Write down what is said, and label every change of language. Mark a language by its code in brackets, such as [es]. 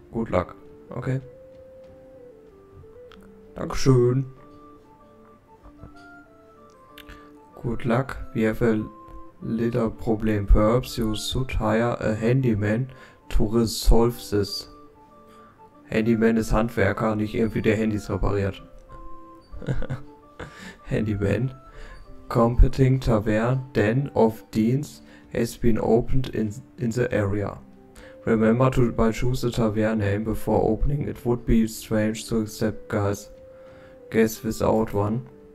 [en] Good luck. Okay. [de] Dankeschön. [en] Good luck, we have a little problem. Perhaps you should hire a handyman to resolve this. [de] Handyman ist Handwerker, nicht irgendwie der Handys repariert. [en] Handyman. Competing tavern, Den of Deans, has been opened in the area. Remember to by choose the tavern name before opening. It would be strange to accept guests without one.